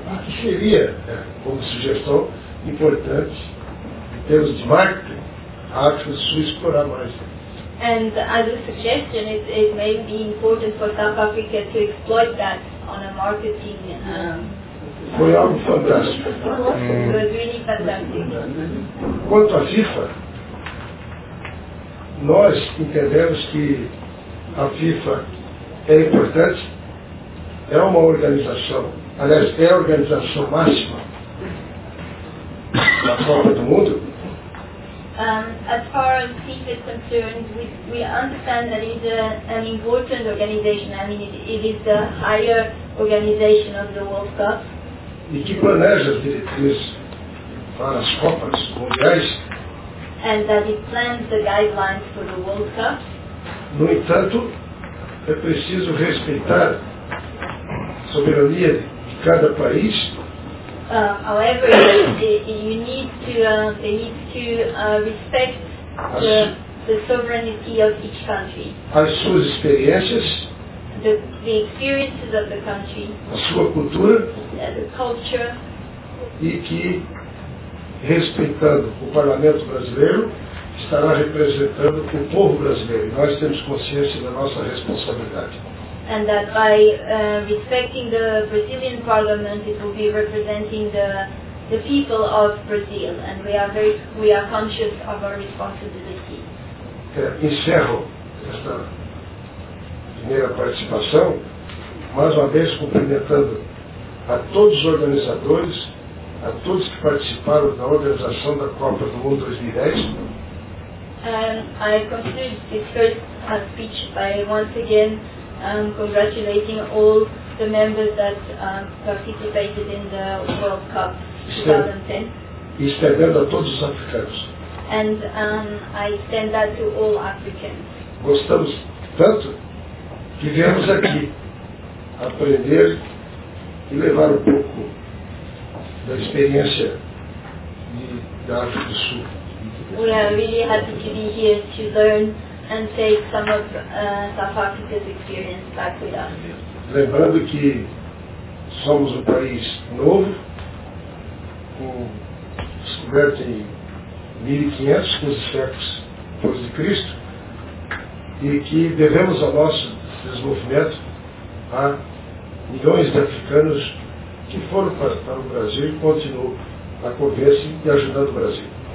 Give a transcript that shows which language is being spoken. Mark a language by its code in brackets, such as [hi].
[pt] E que seria, como sugestão, importante, em termos de marketing, a África do Sul explorar mais. [en] And as a suggestion, it may be important for South Africa to exploit that on a marketing. [pt] Foi algo fantástico. [en] It was really fantastic. [pt] Quanto à FIFA, nós entendemos que a FIFA é importante, é uma organização, aliás, é a organização máxima da Copa do Mundo. [en] As far as FIFA is concerned, we understand that it is an important organization. I mean, it is the higher organization of the World Cup. [pt] E que planeja as diretrizes para as Copas Mundiais. [en] And that it plans the guidelines for the World Cup. [pt] No entanto, é preciso respeitar a soberania de cada país. [en] However, they need to respect the sovereignty of each country. [pt] As suas experiências. [en] The experiences of the country. [pt] A sua cultura. [en] The culture. [pt] E que, respeitando o parlamento brasileiro, estará representando o povo brasileiro. Nós temos consciência da nossa responsabilidade. [en] And that by respecting the Brazilian parliament, it will be representing the people of Brazil. And we are conscious of our responsibility. [pt] Encerro esta primeira participação, mais uma vez cumprimentando a todos os organizadores, a todos que participaram da organização da Copa do Mundo 2010. [en] I conclude this first speech by once again congratulating all the members that participated in the World Cup 2010. [pt] E estendendo a todos os africanos. [en] And I extend that to all Africans. [pt] Gostamos tanto que viemos aqui aprender e levar um pouco da experiência da África do Sul. [en] We are really happy to be here to learn and take some of South Africa's experience back with us. [pt] Lembrando que somos um país novo, descoberto em 1500, 15 séculos depois de Cristo, e que devemos ao nosso desenvolvimento a milhões de africanos que foram para o Brasil e continuam a conversa e ajudando o Brasil.